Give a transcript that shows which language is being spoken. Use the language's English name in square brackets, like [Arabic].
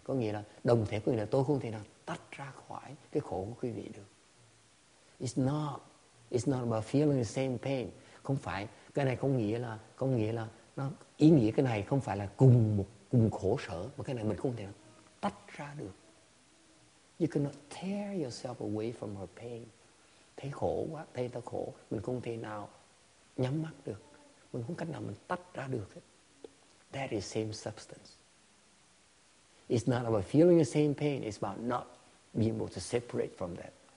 [Vietnamese] Có nghĩa là đồng thể quý vị là tôi không thể nào tách ra khỏi cái khổ của quý vị được. [English] It's not about feeling the same pain. [Vietnamese] Không phải, cái này có nghĩa là nó ý nghĩa cái này không phải là cùng khổ sở, mà cái này mình không thể tách ra được. [English] You cannot tear yourself away from her pain. [Vietnamese] Thấy khổ quá, thấy ta khổ, mình không thể nào nhắm mắt được. Mình không cách nào mình tách ra được. [English] That is same substance. It's not about feeling the same pain, it's about not being able to separate from that.